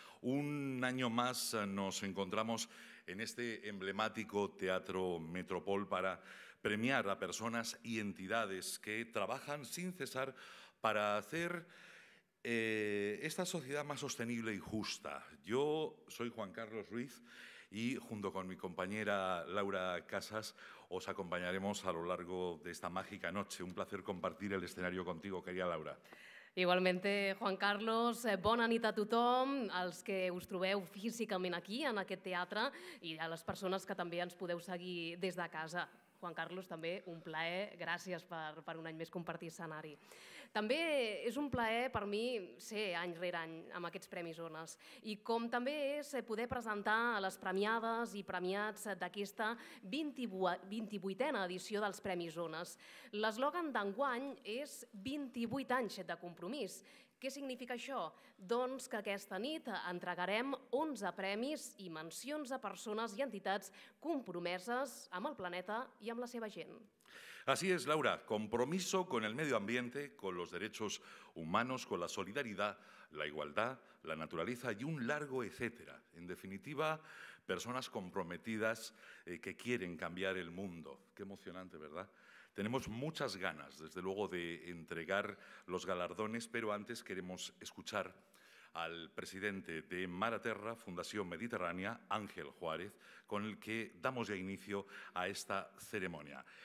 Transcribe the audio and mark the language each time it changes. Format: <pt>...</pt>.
<es>Un año más nos encontramos en este emblemático Teatro Metropol para premiar a personas y entidades que trabajan sin cesar para hacer esta sociedad más sostenible y justa. Yo soy Juan Carlos Ruiz y junto con mi compañera Laura Casas os acompañaremos a lo largo de esta mágica noche. Un placer compartir el escenario contigo, querida Laura.</es> <ca>Igualmente, Juan Carlos, bona nit a tothom, als que us trobeu físicament aquí, en aquest teatre, i a les persones que també ens podeu seguir des de casa. Juan Carlos, també un plaer, gràcies per un any més compartir escenari. També és un plaer per mi ser any rere any amb aquests Premis Ones i com també és poder presentar a les premiades i premiats d'aquesta 28a edició dels Premis Ones. L'eslògan d'enguany és 28 anys de compromís. Què significa això? Doncs que aquesta nit entregarem 11 premis i mencions a persones i entitats compromeses amb el planeta i amb la seva gent.</ca> <es>Así es, Laura. Compromiso con el medio ambiente, con los derechos humanos, con la solidaridad, la igualdad, la naturaleza y un largo etcétera. En definitiva, personas comprometidas que quieren cambiar el mundo. Qué emocionante, ¿verdad? Tenemos muchas ganas, desde luego, de entregar los galardones, pero antes queremos escuchar al presidente de Mar a Terra, Fundación Mediterránea, Ángel Juárez, con el que damos ya inicio a esta ceremonia.</es>